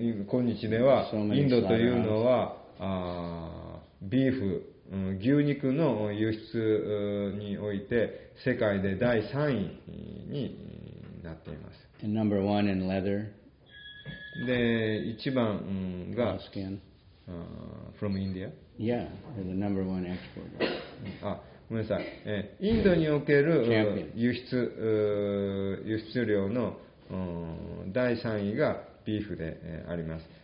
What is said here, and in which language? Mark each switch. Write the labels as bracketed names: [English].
[Japanese] 今日ではインドというのはビーフ、牛肉の輸出において世界で第3位になっています。 [English] And number one in leather. [Japanese] で、一番が、 [English] skin. From India. Yeah, they're the number one exporter. [Japanese] あ、ごめんなさい。インドにおける輸出量の第3位がビーフであります。